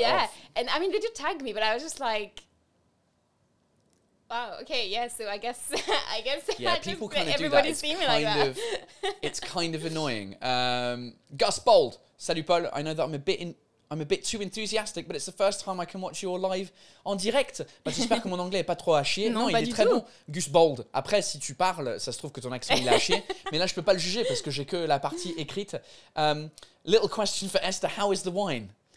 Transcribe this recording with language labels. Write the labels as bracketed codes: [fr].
[en] Yeah, and I mean, they did tag me, but I was just like, wow, okay, yeah. So I guess. Yeah, people kind of do that. It's kind of annoying. [fr] Gus Bold, salut Paul. [en] I know that I'm a bit too enthusiastic, but it's the first time I can watch your live [fr] en direct. Bah, j'espère que mon anglais est pas trop à chier. Non, il est très tout. Bon. Gus Bold. Après, si tu parles, ça se trouve que ton accent il est à chier. Mais là, je peux pas le juger parce que j'ai que la partie écrite. [en] Little question for Esther: how is the wine?